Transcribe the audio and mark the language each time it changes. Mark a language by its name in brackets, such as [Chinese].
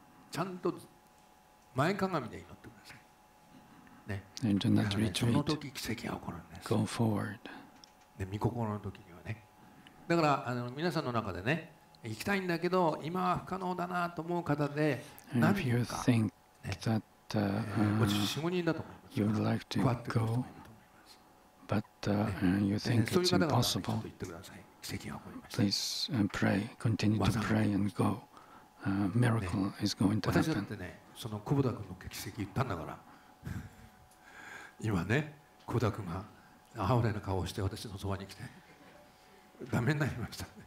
[Japanese] ちゃんと前かがみで祈ってください。ね、皆さんね、その時奇跡が起こるんです。 [English] Go forward。 [Japanese] で、御心の時にはね。だから皆さんの中でね、行きたいんだけど今は不可能だなと思う方で、何か、ね、 [English] that, [Japanese] 4、5人だと思います。 [English] You'd like to go, but you think it's impossible. [Japanese] そういう方々はちょっと言ってください。 [English] Please pray, continue to pray and go. Miracle is going to happen. [Japanese] 私だってね、その久保田君の奇跡言ったんだから。今ね、久保田君が哀れな顔をして私のそばに来て、ダメになりました。